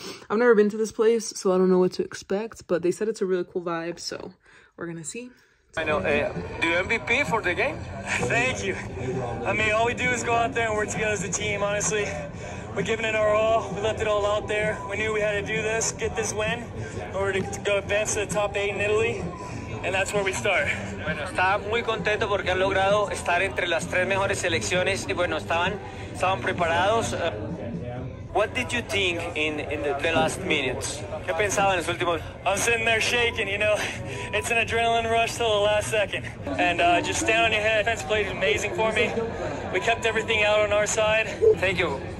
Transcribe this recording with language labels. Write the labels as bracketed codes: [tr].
[en] I've never been to this place, so I don't know what to expect, but they said it's a really cool vibe, so we're going to see. I know. Do MVP for the game? Thank you. I mean, all we do is go out there and work together as a team, honestly. We're giving it our all. We left it all out there. We knew we had to do this, get this win, in order to go advance to the top eight in Italy. And that's where we start. [es] Estaba muy contento porque han logrado estar entre las tres mejores selecciones. Y bueno, estaban preparados. [en] What did you think in the last minutes? [es] ¿Qué pensaba en los últimos? [en] I'm sitting there shaking, you know. It's an adrenaline rush till the last second. And just stand on your head. Defense played amazing for me. We kept everything out on our side. Thank you.